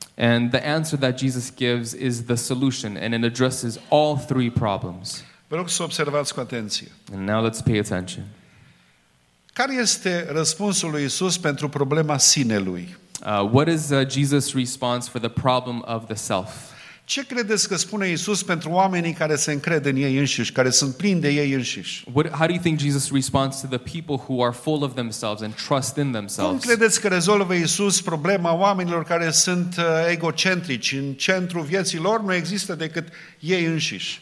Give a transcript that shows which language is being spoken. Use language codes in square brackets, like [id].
[en] And the answer that Jesus gives is the solution, and it addresses all three problems. [ro] Vă rog să observați cu atenție. [en] And now let's pay attention. [ro] Care este răspunsul lui Iisus pentru problema sinelui? [en] What is Jesus' response for the problem of the self? [ro] Ce credeți că spune Iisus pentru oamenii care se încred în ei înșiși, care sunt plini de ei înșiși? [en] How do you think Jesus responds to the people who are full of themselves and trust in themselves? [ro] Cum credeți că rezolvă Iisus problema oamenilor care sunt egocentrici? În centru vieții lor nu există decât ei înșiși.